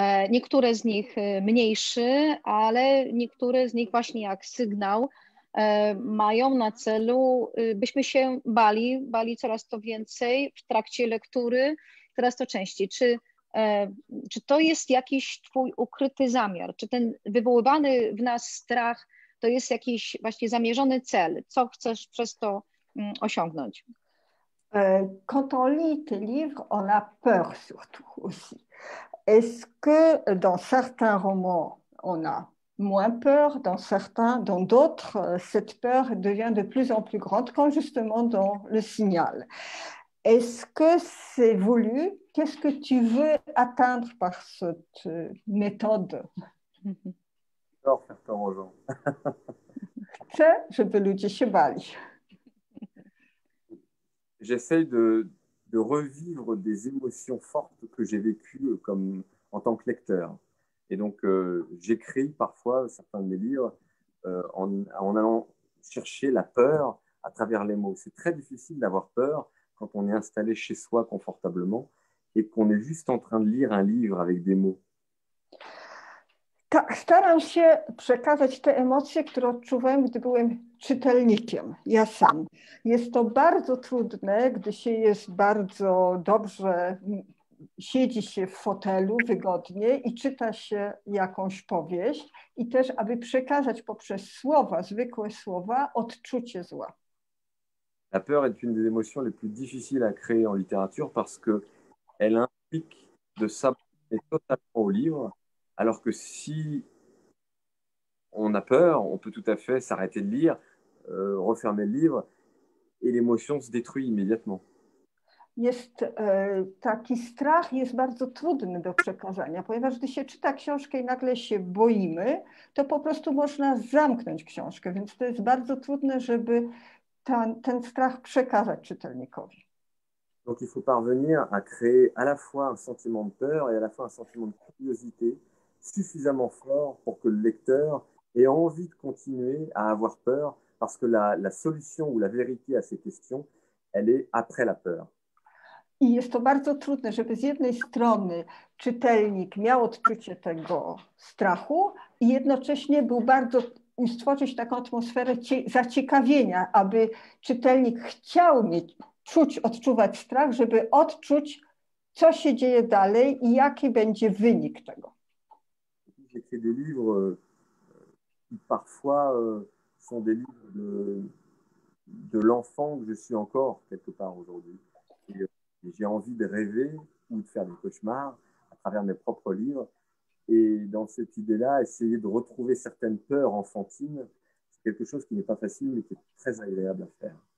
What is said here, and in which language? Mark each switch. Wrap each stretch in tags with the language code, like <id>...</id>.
<pl>Niektóre z nich mniejszy, ale niektóre z nich właśnie jak sygnał mają na celu, byśmy się bali coraz to więcej w trakcie lektury, coraz to częściej. Czy to jest jakiś twój ukryty zamiar? Czy ten wywoływany w nas strach to jest jakiś właśnie zamierzony cel? Co chcesz przez to osiągnąć?</pl> <fr>Quand on lit tes livres, on a peur surtout aussi. Est-ce que dans certains romans, on a moins peur, dans certains, dans d'autres, cette peur devient de plus en plus grande, comme justement dans Le Signal? Est-ce que c'est voulu? Qu'est-ce que tu veux atteindre par cette méthode? J'adore faire peur aux gens.</fr> <pl>Chcę, żeby ludzie się bali.</pl> <fr>J'essaie de revivre des émotions fortes que j'ai vécues comme, en tant que lecteur. Et donc, j'écris parfois certains de mes livres en allant chercher la peur à travers les mots. C'est très difficile d'avoir peur quand on est installé chez soi confortablement et qu'on est juste en train de lire un livre avec des mots.</fr> <pl>Tak, staram się przekazać te emocje, które odczuwałem, gdy byłem czytelnikiem, ja sam. Jest to bardzo trudne, gdy się jest bardzo dobrze, siedzi się w fotelu wygodnie i czyta się jakąś powieść, i też, aby przekazać poprzez słowa, zwykłe słowa, odczucie zła.</pl> <fr>La peur est une des émotions les plus difficiles à créer en littérature parce qu'elle implique de s'abandonner totalement au livre, alors que si on a peur, on peut tout à fait s'arrêter de lire, refermer le livre et l'émotion se détruit immédiatement.</fr> <pl>Jest taki strach, jest bardzo trudny do przekazania, ponieważ gdy się czyta książkę i nagle się boimy, to po prostu można zamknąć książkę, więc to jest bardzo trudne, żeby ten strach przekazać czytelnikowi.</pl> <fr>Donc, il faut parvenir à créer à la fois un sentiment de peur et à la fois un sentiment de curiosité suffisamment fort pour que le lecteur ait envie de continuer à avoir peur parce que la solution ou la vérité à ces questions, elle est après la peur.</fr> <pl>I jest to bardzo trudne, żeby z jednej strony czytelnik miał odczucie tego strachu i jednocześnie był bardzo stworzyć taką atmosferę zaciekawienia, aby czytelnik chciał odczuwać strach, żeby odczuć, co się dzieje dalej i jaki będzie wynik tego.</pl> <fr>J'écris des livres qui parfois sont des livres de l'enfant que je suis encore quelque part aujourd'hui. J'ai envie de rêver ou de faire des cauchemars à travers mes propres livres. Et dans cette idée-là, essayer de retrouver certaines peurs enfantines, c'est quelque chose qui n'est pas facile, mais qui est très agréable à faire.</fr>